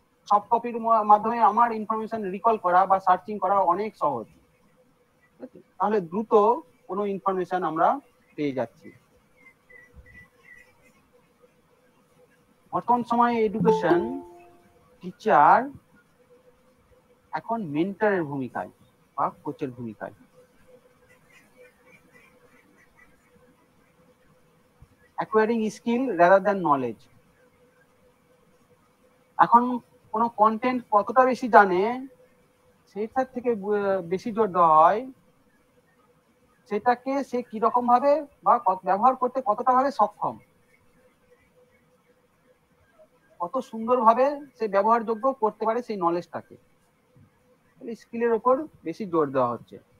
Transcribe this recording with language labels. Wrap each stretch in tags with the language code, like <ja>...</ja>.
<bn>Soft কপির মাধ্যমে আমার ইনফরমেশন রিকল করা বা সার্চিং করা অনেক সহজ, তাহলে দ্রুত কোনো ইনফরমেশন আমরা পেয়ে যাচ্ছি। বর্তমান সময়ে এডুকেশন টিচার এখন মেন্টরের ভূমিকায় বা কোচের ভূমিকায়।</bn> <en>Acquiring skill rather than knowledge.</en> <bn>এখন কোনো কন্টেন্ট কতটা বেশি জানে সেটার থেকে বেশি জোর দেওয়া হয় সেটাকে সে কিরকম ভাবে বা ব্যবহার করতে কতটা ভাবে সক্ষম, কত সুন্দর ভাবে সে ব্যবহারযোগ্য করতে পারে সেই নলেজটাকে, স্কিলের ওপর বেশি জোর দেওয়া হচ্ছে।</bn>